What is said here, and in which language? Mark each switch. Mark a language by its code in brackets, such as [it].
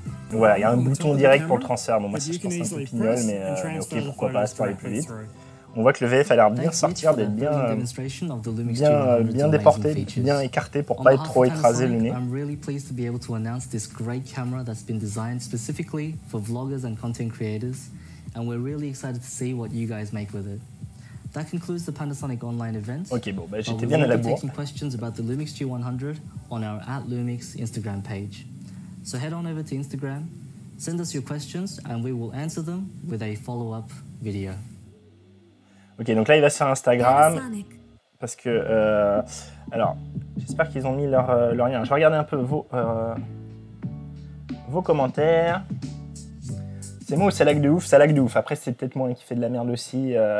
[fr] Voilà, il y a un bouton direct pour le transfert, bon moi ça je pense un peu pignol, mais ok, pourquoi pas, c'est pour aller plus vite. On voit que le VF a l'air bien sortir, d'être bien déporté, bien écarté pour pas être trop écrasé le nez. [en] Really pleased to be able to announce this great camera that's been designed specifically for vloggers and content creators, and we're really excited to see what you guys make with it. That concludes the Panasonic online event. [fr] Ok, bon, bah, j'étais bien à la bourre. [en] Taking questions about the Lumix G100 on our @Lumix Instagram page. So head on over to Instagram, send us your questions, and we will answer them with a follow-up video. [fr] Ok, donc là il va sur Instagram parce que alors j'espère qu'ils ont mis leur lien. Je vais regarder un peu vos commentaires. C'est moi ou ça lag de ouf? Ça lag de ouf. Après c'est peut-être moi qui fais de la merde aussi.